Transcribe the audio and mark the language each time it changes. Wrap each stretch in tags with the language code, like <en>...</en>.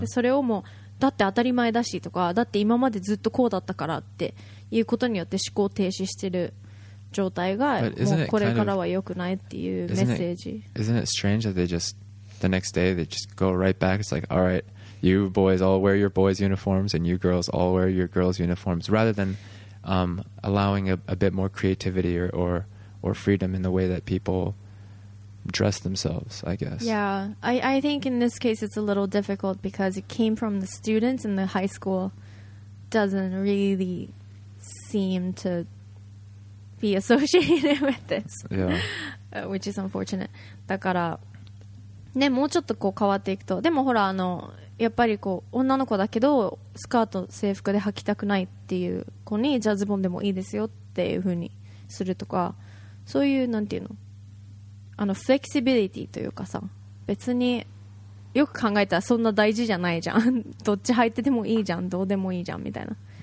<ja>で、それをもう、だって当たり前だしとか、だって今までずっとこうだったからっていうことによって思考停止してる状態が、もうこれからは良くないっていうメッセージ。</ja> <en>Isn't it strange that they just... The next day, they just go right back. It's like, all right, you boys all wear your boys' uniforms, and you girls all wear your girls' uniforms, rather than allowing a bit more creativity or freedom in the way that people dress themselves, I guess. Yeah, I think in this case, it's a little difficult because it came from the students, and the high school doesn't really seem to be associated with this, yeah. which is unfortunate.</en> <ja>だからね、もうちょっとこう変わっていくと、でもほらあのやっぱりこう女の子だけどスカート制服で履きたくないっていう子にジャズボンでもいいですよっていう風にするとか、そういうなんていうの、あのフレキシビリティというかさ、別によく考えたらそんな大事じゃないじゃんどっち履いててもいいじゃん、どうでもいいじゃんみたいな、</ja>